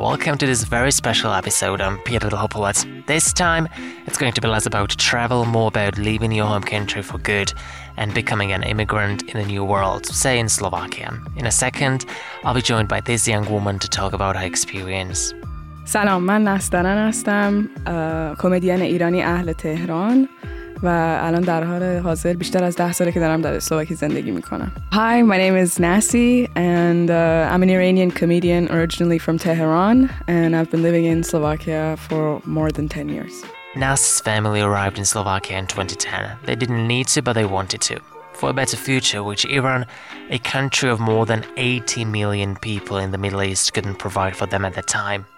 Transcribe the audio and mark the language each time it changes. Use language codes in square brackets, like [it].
[en] Welcome to this very special episode. I'm Peter Dlhopolec. This time, it's going to be less about travel, more about leaving your home country for good and becoming an immigrant in a new world, say in Slovakia. In a second, I'll be joined by this young woman to talk about her experience. [fa] Salam, man Nastaran astam, comedian Irani ahl Tehran. و الان در حال حاضر بیشتر از 10 سال که دارم در اسلوواکی زندگی میکنم. [en] Hi, my name is Nasi and I'm an Iranian comedian originally from Tehran and I've been living in Slovakia for more than 10 years. Nasi's family arrived in Slovakia in 2010. They didn't need to, but they wanted to. For a better future, which Iran, a country of more than 80 million people in the Middle East, couldn't provide for them at the time.